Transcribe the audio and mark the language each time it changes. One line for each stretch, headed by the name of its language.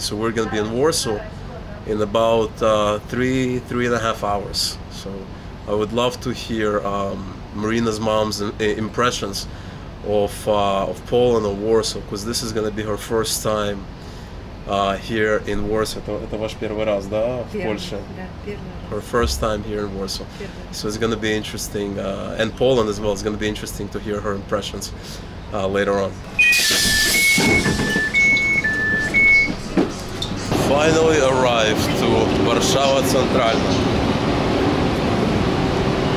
English: So we're gonna be in Warsaw in about three and a half hours. So I would love to hear Marina's mom's impressions of Poland or Warsaw, because this is going to be her first time here in Warsaw.
Russian: Это ваш первый раз, да, в Польше?
English: Her first time here in Warsaw. So it's going to be interesting, and Poland as well. It's going to be interesting to hear her impressions later on. Finally arrived to Warszawa Centralna.